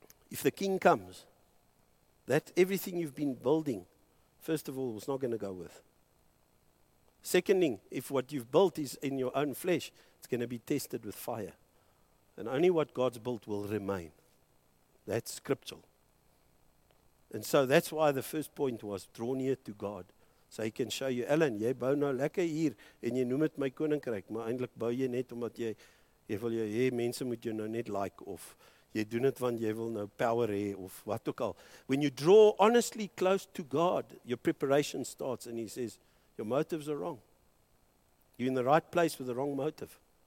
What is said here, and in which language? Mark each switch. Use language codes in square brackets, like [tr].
[en] If the king comes, that everything you've been building, first of all, is not going to go with. Second thing, if what you've built is in your own flesh, it's going to be tested with fire. And only what God's built will remain. That's scriptural. And so that's why the first point was, draw near to God. So he can show you, [af] Alan, jy bou nou lekker hier, en jy noem het my koninkryk, maar eindelijk bou jy net omdat jy wil jy, mense moet jou nou net like, of jy doen het want jy wil nou power hê, of wat ook al. [en] When you draw honestly close to God, your preparation starts, and he says, your motives are wrong. You're in the right place with the wrong motive.